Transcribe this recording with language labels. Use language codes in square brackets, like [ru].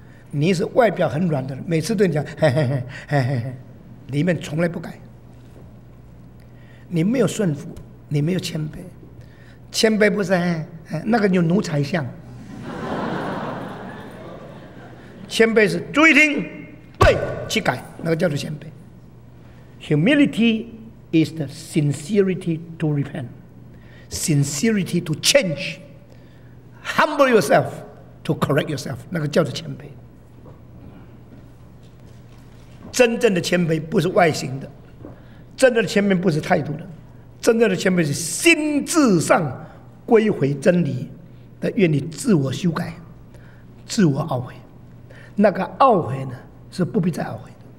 [zh] 你是外表很软的人，每次对你讲嘿嘿嘿嘿嘿，里面从来不改。你没有顺服，你没有谦卑，谦卑不是那个有奴才相。谦卑是注意听，对，去改，那个叫做谦卑。 [en] Humility is the sincerity to repent, sincerity to change, humble yourself to correct yourself, [zh] 那个叫做谦卑。真正的谦卑不是外形的，真正的谦卑不是态度的，真正的谦卑是心智上归回真理的，愿你自我修改，自我懊悔。那个懊悔呢，是不必再懊悔的。